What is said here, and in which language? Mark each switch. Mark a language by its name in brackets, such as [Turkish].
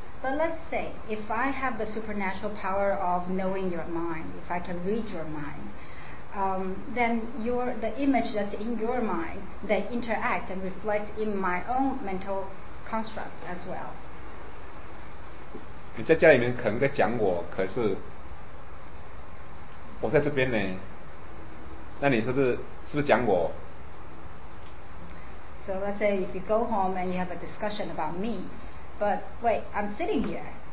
[English] But let's say, if I have the supernatural power of knowing your mind, if I can read your mind, then the image that's in your mind, they interact and reflect in my own mental constructs as well. [Chinese] 你在家里面可能在讲我，可是我在这边呢，那你是不是讲我？ [English] So let's say if you go home and you have a discussion about me, but wait, I'm sitting here.